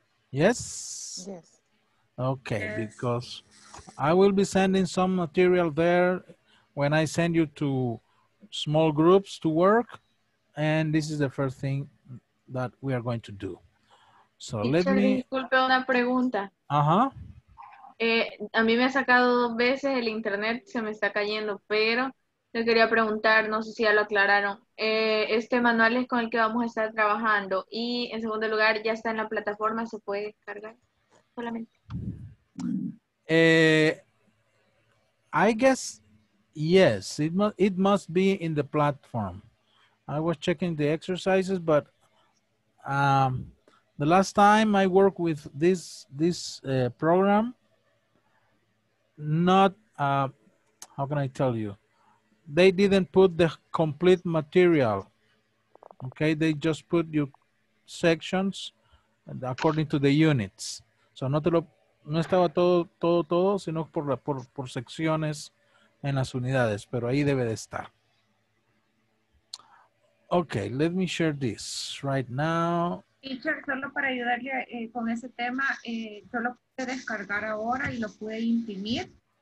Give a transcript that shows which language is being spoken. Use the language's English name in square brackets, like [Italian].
[English] Yes? Yes. Okay, yes. Because I will be sending some material there when I send you to small groups to work, and this is the first thing that we are going to do. So let me... [Spanish] Disculpe una pregunta. Uh-huh. A mí me ha sacado dos veces el internet, se me está cayendo, pero le quería preguntar, no sé si ya lo aclararon, este manual es con el que vamos a estar trabajando y en segundo lugar ya está en la plataforma, se puede cargar solamente. [English] I guess, yes, it must be in the platform. I was checking the exercises, but the last time I worked with this program, how can I tell you? They didn't put the complete material. Okay, they just put your sections according to the units. [Spanish] So no te lo, no estaba todo, sino por secciones en las unidades, pero ahí debe de estar. [English] Okay, let me share this right now. [Spanish] Teacher, solo para ayudarle con ese tema, yo lo pude descargar ahora y lo pude imprimir.